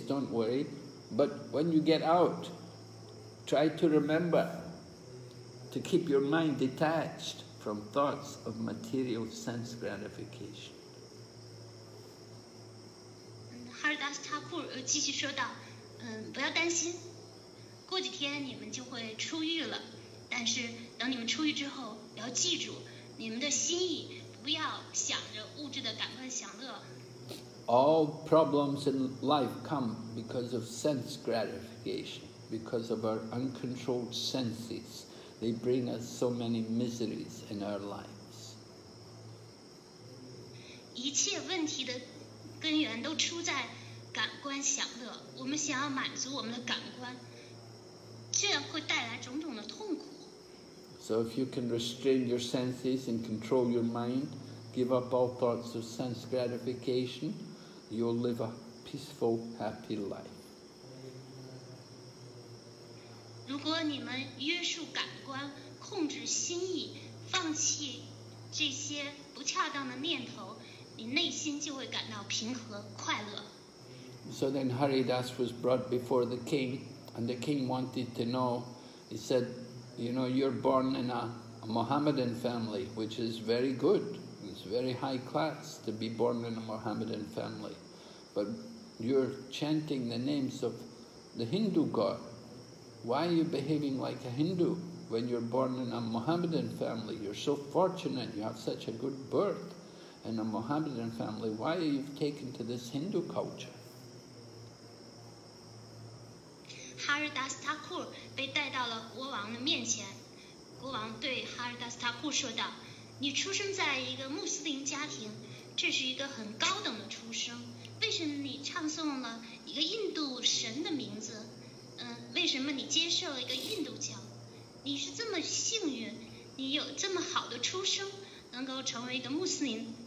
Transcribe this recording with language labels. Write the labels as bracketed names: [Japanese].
[English] Don't worry, but when you get out, try to remember to keep your mind detached from thoughts of material sense gratification." [Chinese] Haridas Thakur 继续说道。不要担心，过几天你们就会出狱了。但是等你们出狱之后，要记住你们的心意，不要想着物质的感官享乐。 [English] All problems in life come because of sense gratification, because of our uncontrolled senses. They bring us so many miseries in our lives. [Chinese] 一切问题的根源都出在。感官享乐，我们想要满足我们的感官，这样会带来种种的痛苦。 [English] So if you can restrain your senses and control your mind, give up all thoughts of sense gratification, you'll live a peaceful, happy life. [Chinese] 如果你们约束感官，控制心意，放弃这些不恰当的念头，你内心就会感到平和快乐。 [English] So then Haridas was brought before the king, and the king wanted to know. He said, you know, you're born in a Mohammedan family, which is very good. It's very high class to be born in a Mohammedan family. But you're chanting the names of the Hindu god. Why are you behaving like a Hindu when you're born in a Mohammedan family? You're so fortunate, you have such a good birth in a Mohammedan family. Why are you taken to this Hindu culture? [Chinese] 哈尔达斯塔库被带到了国王的面前，国王对哈尔达斯塔库说道，你出生在一个穆斯林家庭，这是一个很高等的出生，为什么你唱诵了一个印度神的名字，为什么你接受了一个印度教，你是这么幸运，你有这么好的出生，能够成为一个穆斯林，